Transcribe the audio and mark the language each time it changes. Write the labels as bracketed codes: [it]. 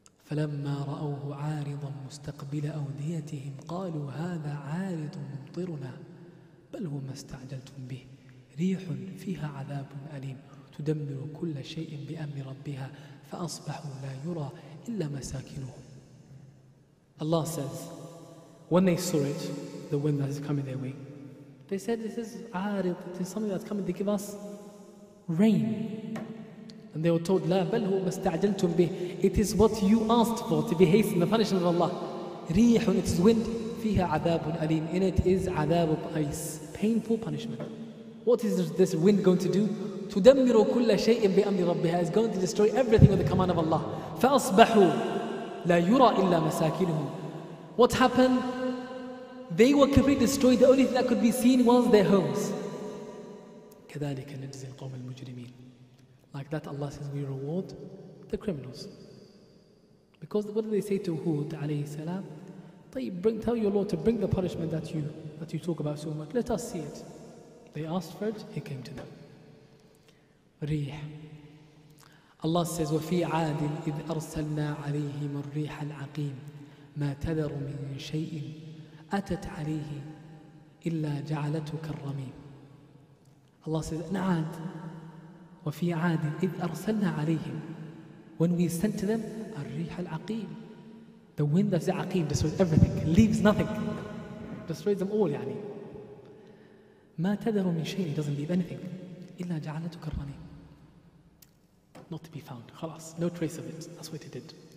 [ar] فَلَمَّا رَأَوْهُ عَارِضًا مُسْتَقْبِلَ أَوْدِيَتِهِمْ قَالُوا هَذَا عَارِضٌ مُمْطِرُنَا بَلْ هُمَا اسْتَعْجَلْتُمْ بِهِ رِيحٌ فِيهَا عَذَابٌ أَلِيمٌ تُدَمِّرُ كُلَّ شَيْءٍ بِأَمْرِ رَبِّهَا فَأَصْبَحُوا لَا يُرَى إِلَّا مَسَاكِنُهُمْ. [en] Allah says, when they saw it, the wind that is coming their way, they said, this is عارض, this is something that's coming, they give us rain. And they were told, [ar] لَا بَلْ هُمَا اسْتَعْجَلْتُمْ بِهِ. [en] It is what you asked for, to be hastened, the punishment of Allah. رِيحٌ, it is wind, [ar] فِيهَا عَذَابٌ أَلِيمٌ, [en] in it is عَذَابُ ice, painful punishment. What is this wind going to do? [ar] تُدَمِّرُ كُلَّ شَيْءٍ بِأَمْرِ رَبِّهَا, [en] is going to destroy everything with the command of Allah. [ar] فَأَصْبَحُوا لَا يُرَى إِلَّا مَسَاكِنُهُمْ. [en] What happened? They were completely destroyed. The only thing that could be seen was their homes. [ar] كَذَلِكَ نَجْزِي الْقَوْمَ الْمُجْرِمِينَ. [en] Like that, Allah says, we reward the criminals. Because what did they say to Hud alayhi salam? Tell your Lord to bring the punishment that you talk about so much. Let us see it. They asked for it, it came to them. [ar] Rih. Allah says, وَفِي عَادٍ إِذْ أَرْسَلْنَا عَلَيْهِمُ الرِّيحَ الْعَقِيمِ مَا تَذَرُ مِنْ شَيْءٍ أَتَتْ عَلَيْهِ إِلَّا جَعَلَتُ كَالرَّمِيمِ. [en] Allah says, نعاد. [ar] وَفِي عَادٍ إِذْ أَرْسَلْنَا عَلَيْهِمْ, [en] when we sent to them [ar] الرِّيحَ الْعَقِيمِ, [en] the wind that's the عَقِيمِ, destroys everything, leaves nothing, destroys them all, يعني. [ar] مَا تَذَرُ مِنْ شَيْءٍ, [en] doesn't leave anything, [ar] إِلَّا جَعَلَتُ كَالرَّمِيمِ, [en] not to be found, خلاص, no trace of it, that's what it did.